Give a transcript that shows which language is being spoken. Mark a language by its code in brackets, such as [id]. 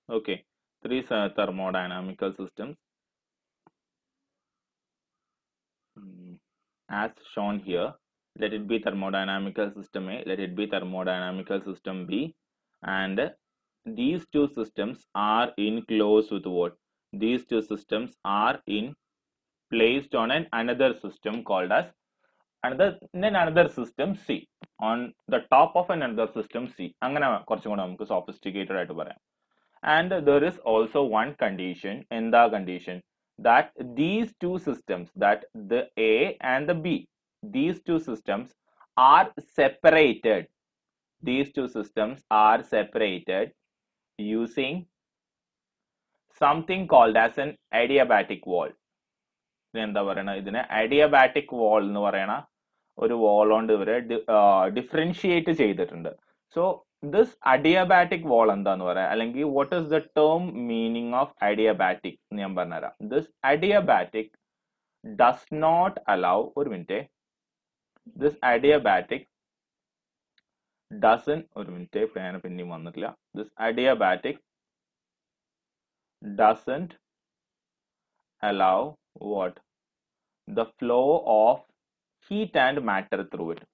[en] Okay, three thermodynamical systems as shown here, let it be thermodynamical system A, let it be thermodynamical system B, and these two systems are in close with what, these two systems are in placed on another system called C, on the top of another system C. [ml] അങ്ങനെ കുറച്ചും കൂടെ നമുക്ക് sophisticated ആയിട്ട് പറയാം. [en] And there is also one condition. [ml] എന്താ condition? [en] That these two systems, that the A and the B, these two systems are separated. These two systems are separated using something called as an adiabatic wall. [ml] എന്താ പറയണ, ഇതിന് adiabatic വാൾ എന്ന് പറയണ ഒരു വാൾ കൊണ്ട് ഇവരെ differentiate ചെയ്തിട്ടുണ്ട്. [en] so this adiabatic wall [ml] എന്താന്ന് പറയാം, അല്ലെങ്കിൽ [en] what is the term meaning of adiabatic [ml] എന്ന് ഞാൻ പറഞ്ഞുതരാം. [en] this adiabatic does not allow, [ml] ഒരു മിനിറ്റ്, [en] this adiabatic doesn't, [ml] ഒരു മിനിറ്റ് പേന പിന്നെയും വന്നിട്ടില്ല, [en] this adiabatic doesn't allow what? The flow of heat and matter through it.